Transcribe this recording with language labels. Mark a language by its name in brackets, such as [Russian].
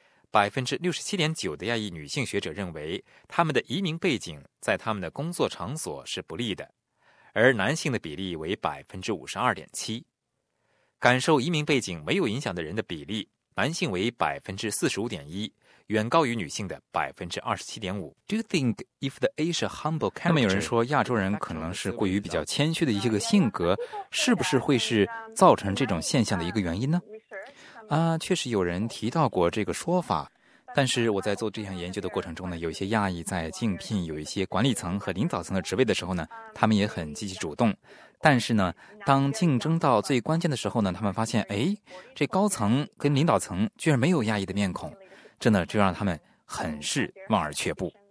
[Chinese] 67.9% 的亚裔女性学者认为他们的移民背景在他们的工作场所是不利的，而男性的比例为 52.7%。 感受移民背景没有影响的人的比例男性为 45.1%， 远高于女性的 27.5%。 [English] Do you think if the Asia humble character... [Chinese] 那么有人说亚洲人可能是过于比较谦虚的一些个性格，是不是会是造成这种现象的一个原因呢？确实有人提到过这个说法，但是我在做这项研究的过程中呢，有一些亚裔在竞聘有一些管理层和领导层的职位的时候呢，他们也很积极主动，但是呢，当竞争到最关键的时候呢，他们发现，哎，这高层跟领导层居然没有亚裔的面孔，这呢就让他们很是望而却步。